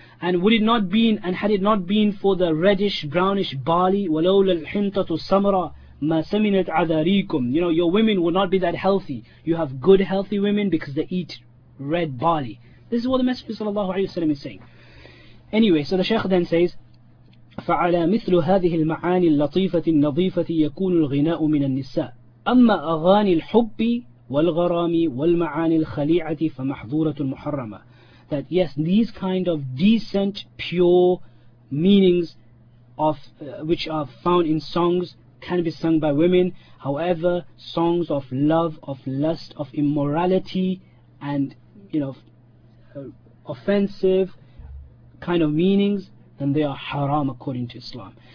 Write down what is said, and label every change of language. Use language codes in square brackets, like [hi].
[en] And would it not been, and had it not been for the reddish brownish barley, [ar] walawla al-hintatu samara ma saminat adarikum," [en] you know, "your women would not be that healthy. You have good healthy women because they eat red barley." This is what the Messenger sallallahu alayhi wa sallam is saying. Anyway, so the Shaykh then says, [ar] فَعَلَى مِثْلُ هَذِهِ الْمَعَانِ اللَّطِيفَةِ النَّظِيفَةِ يَكُونُ الْغِنَاءُ مِنَ النِّسَاءِ أَمَّا أَغَانِ الْحُبِّ وَالْغَرَامِ وَالْمَعَانِ الْخَلِيعَةِ فَمَحْظُورَةُ الْمُحَرَّمَةِ. [en] That yes, these kind of decent, pure meanings of which are found in songs can be sung by women. However, songs of love, of lust, of immorality, and, you know, offensive kind of meanings, then they are haram according to Islam.